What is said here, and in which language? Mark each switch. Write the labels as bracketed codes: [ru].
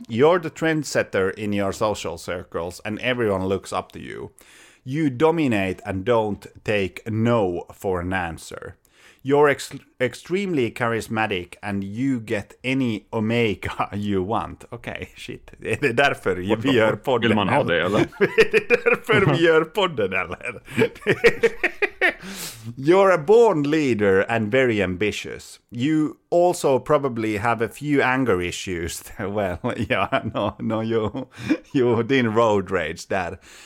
[en] You're the trendsetter in your social circles and everyone looks up to you. You dominate and don't take no for an answer. You're extremely charismatic and you get any omega you want. [sv] Okej, okay, shit. Är det därför vi gör podden? Vill man ha det, eller? Är det därför vi gör podden, eller? [en] You're a born leader and very ambitious. You also probably have a few anger issues. Well, yeah, no, you didn't road rage that.